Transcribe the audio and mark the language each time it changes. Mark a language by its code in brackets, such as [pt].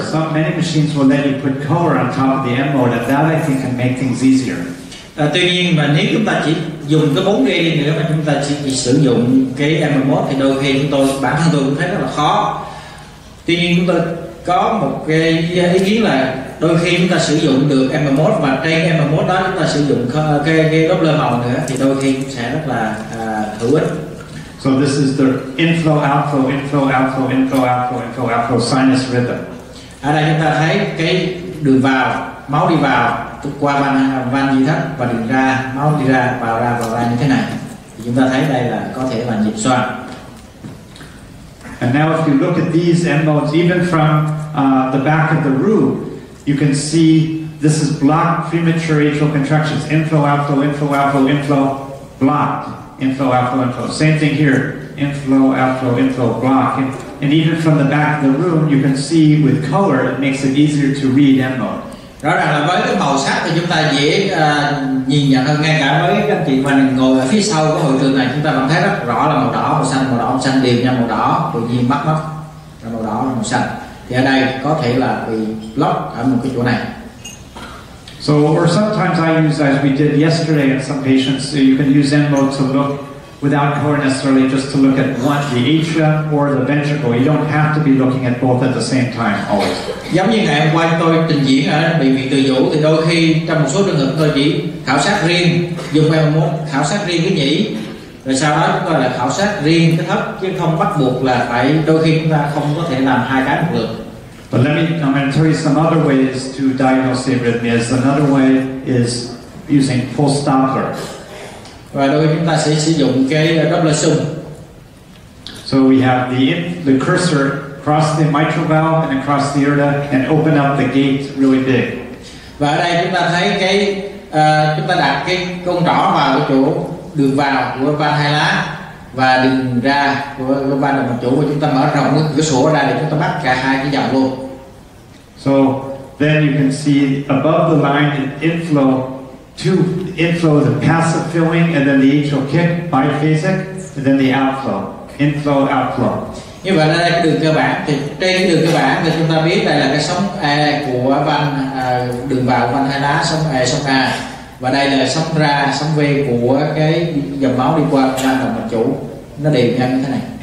[en] Some many machines will let you put color on top of the EMMODE, and that I think can make things easier. [vi] Tuy nhiên mà nếu chúng ta chỉ dùng cái 4D đi, nếu mà chúng ta chỉ sử dụng cái EMMODE thì đôi khi chúng tôi, bản thân tôi cũng thấy rất là khó. Tuy nhiên chúng tôi có một cái ý kiến là đôi khi chúng ta sử dụng được EMMODE và trên EMMODE đó chúng ta sử dụng cái lớp lơ màu nữa thì đôi khi sẽ rất là hữu ích. [en] So this is the inflow, outflow, inflow, outflow, inflow, outflow, inflow, outflow sinus rhythm. [vi] Ở đây chúng ta thấy cái đường vào, máu đi vào qua van dưới thắt và đường ra, máu đi ra, vào ra, vào ra như thế này. Thì chúng ta thấy đây là có thể là nhịp xoang. [en] And now if you look at these EMMODEs, even from the back of the room, you can see this is blocked premature atrial contractions. Inflow, outflow, inflow, outflow, inflow, blocked. Inflow, outflow, inflow. Same thing here. Inflow, outflow, inflow, block. And even from the back of the room, you can see with color, it makes it easier to read EMMODE. [vi] Rõ ràng là với cái màu sắc thì chúng ta dễ nhìn nhận hơn, ngay cả với các anh chị mà ngồi ở phía sau của hội trường này, chúng ta vẫn thấy rất rõ là màu đỏ, màu xanh, màu đỏ, màu xanh đều nhau, màu đỏ tự nhiên mắt mắt là màu đỏ, màu xanh. Thì ở đây có thể là bị block ở một cái chỗ này. [en] So, or sometimes I use, as we did yesterday in some patients, you can use EMMODE to look without color necessarily, just to look at one, the atria or the ventricle. You don't have to be looking at both at the same time, always. [vi] Giống như ngày hôm qua tôi trình diễn ở bệnh viện Từ Dũ, thì đôi khi trong một số trường hợp tôi chỉ khảo sát riêng, dùng EMMODE khảo sát riêng cái nhĩ, rồi sau đó chúng ta lại khảo sát riêng cái thấp, chứ không bắt buộc là phải, đôi khi chúng ta không có thể làm hai cái một lượt. [en] But let me, I'm going to tell you some other ways to diagnose arrhythmias. Another way is using pulse Doppler. [vi] Và đôi khi chúng ta sẽ sử dụng cái Doppler xung. [en] So we have the cursor cross the mitral valve and across the aorta and open up the gate really big. [vi] Và ở đây chúng ta thấy cái chúng ta đặt cái con rõ vào chỗ đường vào của van hai lá và đường ra của van là một chỗ, và chúng ta mở rộng cái cửa sổ ra để chúng ta bắt cả hai cái dòng luôn. [en] So then you can see above the line in inflow, two inflow, the passive filling, and then the atrial kick biphasic, and then the outflow, inflow, outflow. [vi] Như vậy là cái đường cơ bản, thì trên cái đường cơ bản thì chúng ta biết đây là cái sóng A của van đường vào van hai lá, sóng A, sóng A, và đây là sóng ra, sóng V của cái dòng máu đi qua van động mạch chủ, nó đều nhau như thế này.